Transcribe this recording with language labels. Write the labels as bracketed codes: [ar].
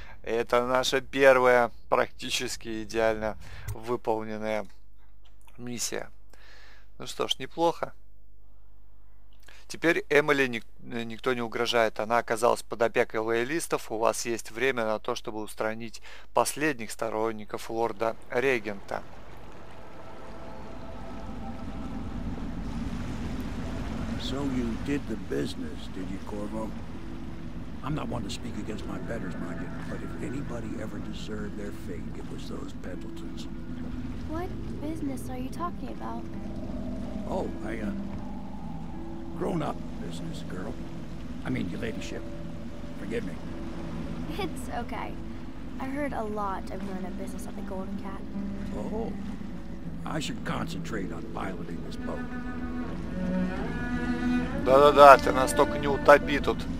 [ru] Это наша первая практически идеально выполненная миссия. Ну что ж, неплохо. Теперь Эмили никто не угрожает. Она оказалась под опекой лоялистов. У вас есть время на то, чтобы устранить последних сторонников лорда-регента. [en] So you did the business, did you, Corvo? I'm not one to speak against my betters, mind you, but if anybody ever deserved their fate, it was those Pendletons. What business are you talking about? Oh, I, grown-up business, girl. I mean, your ladyship. Forgive me. It's okay. I heard a lot of grown-up business at the Golden Cat. Oh, I should concentrate on piloting this boat. [ru] Да-да-да, ты настолько не утопи тут.